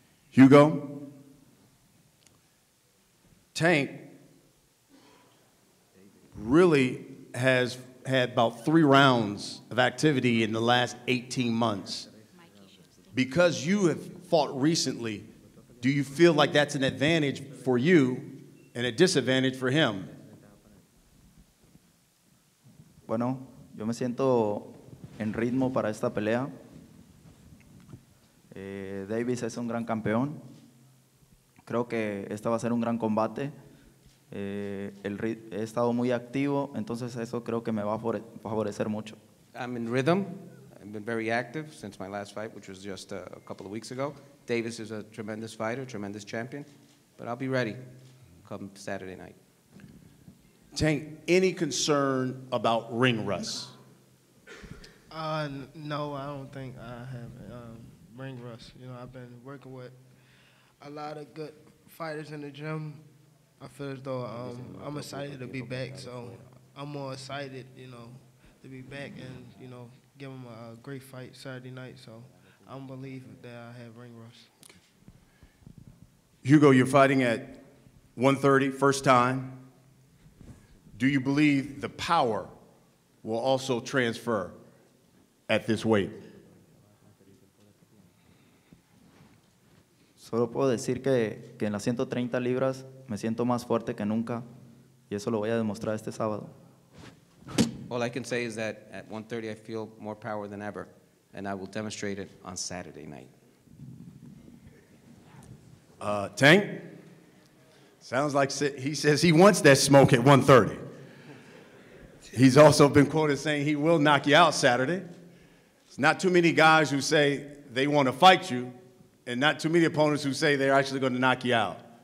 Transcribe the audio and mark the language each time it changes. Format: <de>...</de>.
<en>Hugo, Tank really has had about three rounds of activity in the last 18 months. Because you have fought recently, do you feel like that's an advantage for you and a disadvantage for him?</en> <es>Bueno, yo me siento en ritmo para esta pelea. Davis es un gran campeón. Creo que esta va a ser un gran combate. He estado muy activo, entonces eso creo que me va a favorecer mucho.</es> <en>I'm in rhythm. I've been very active since my last fight, which was just a couple of weeks ago. Davis is a tremendous fighter, tremendous champion, but I'll be ready come Saturday night. Tank, any concern about ring rust? No, I don't think I have ring rust. You know, I've been working with a lot of good fighters in the gym. I feel as though I'm excited to be back, so I'm more excited, you know, to be back and, you know, give him a great fight Saturday night, so I don't believe that I have ring rust. Hugo, you're fighting at 130, first time. Do you believe the power will also transfer at this weight?</en> <es>Solo puedo decir que en las 130 libras me siento más fuerte que nunca, y eso lo voy a demostrar este sábado.</es> <en>All I can say is that at 130 I feel more power than ever, and I will demonstrate it on Saturday night. Tank, sounds like he says he wants that smoke at 130. He's also been quoted saying he will knock you out Saturday. It's not too many guys who say they want to fight you, and not too many opponents who say they're actually going to knock you out.</en>